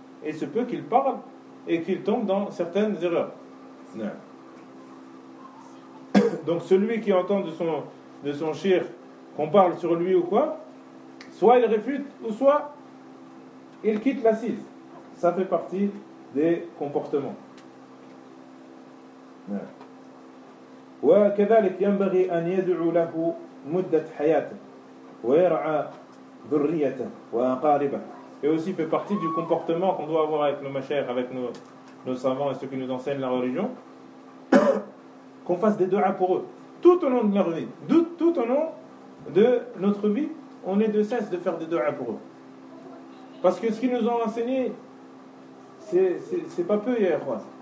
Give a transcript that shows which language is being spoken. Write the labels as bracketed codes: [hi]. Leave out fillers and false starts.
[fr] Il se peut qu'ils parlent et qu'ils tombent dans certaines erreurs. Non. Donc celui qui entend de son chir qu'on parle sur lui ou quoi, soit il réfute ou soit il quitte l'assise. Ça fait partie des comportements. [ar] وكذلك ينبغي أن يدعو له مدة حياته ويرعى ذريته وأقاربه. [fr] Et aussi fait partie du comportement qu'on doit avoir avec nos mashayikh, avec nos savants et ceux qui nous enseignent la religion, qu'on fasse des du'as pour eux tout au long de leur vie, tout au long de notre vie, on est de cesse de faire des du'as pour eux, parce que ce qu'ils nous ont enseigné, c'est pas peu hier quoi.